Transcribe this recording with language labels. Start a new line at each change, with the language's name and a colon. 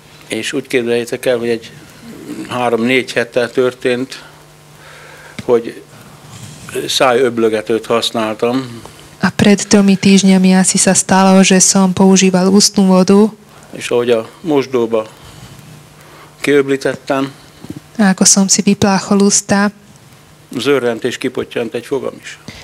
Hungarian: És úgy képzeljétek el, hogy egy 3-4 héttel történt, hogy szájöblögetőt használtam.
Slovak: A pred tými týždňami asi sa stalo, že som používal ústnu vodu.
Hungarian: És ahogy a mosdóba kiöblítettem.
Slovak: A ako som si vypláchol ústa.
Hungarian: Zörrent és kipottyant egy fogam is.